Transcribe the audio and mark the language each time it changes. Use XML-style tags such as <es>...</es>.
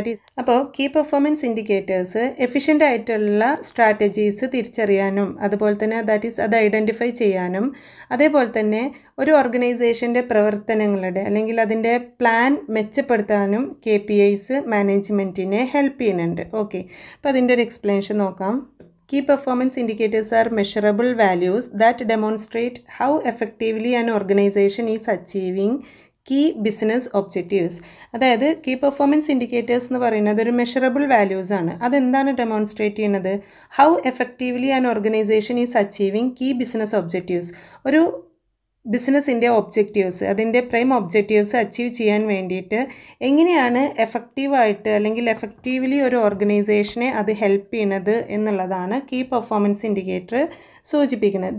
<en>that is</en> <ml>അപ്പോൾ key performance indicators efficient ആയിട്ടുള്ള strategies തിരിച്ചറിയാനും അതുപോലെ തന്നെ ദാറ്റ് ഈസ് അത് ഐഡൻറ്റിഫൈ ചെയ്യാനും അതേപോലെ തന്നെ ഒരു ഓർഗനൈസേഷൻ്റെ പ്രവർത്തനങ്ങളുടെ അല്ലെങ്കിൽ അതിൻ്റെ പ്ലാൻ മെച്ചപ്പെടുത്താനും KPIs മാനേജ്മെൻറ്റിനെ ഹെൽപ്പ് ചെയ്യുന്നുണ്ട്. ഓക്കെ, അപ്പോൾ അതിൻ്റെ ഒരു എക്സ്പ്ലനേഷൻ നോക്കാം.</ml> <en>Key performance indicators are measurable values that demonstrate how effectively an organization is achieving key business objectives.</en> <ml>അതായത് കീ പെർഫോമൻസ് ഇൻഡിക്കേറ്റേഴ്സ് എന്ന് പറയുന്നത് ഒരു മെഷറബിൾ വാല്യൂസ് ആണ്. അതെന്താണ് ഡെമോൺസ്ട്രേറ്റ് ചെയ്യുന്നത്?</ml> <en>How effectively an organization is achieving key business objectives.</en> <ml>ഒരു ബിസിനസ്സിൻ്റെ objectives അതിൻ്റെ പ്രൈം ഒബ്ജക്റ്റീവ്സ് അച്ചീവ് ചെയ്യാൻ വേണ്ടിയിട്ട് എങ്ങനെയാണ് എഫക്റ്റീവായിട്ട് അല്ലെങ്കിൽ എഫക്റ്റീവ്ലി ഒരു ഓർഗനൈസേഷനെ അത് ഹെൽപ്പ് ചെയ്യുന്നത് എന്നുള്ളതാണ് കീ പെർഫോമൻസ് ഇൻഡിക്കേറ്റർ സൂചിപ്പിക്കുന്നത്.</ml>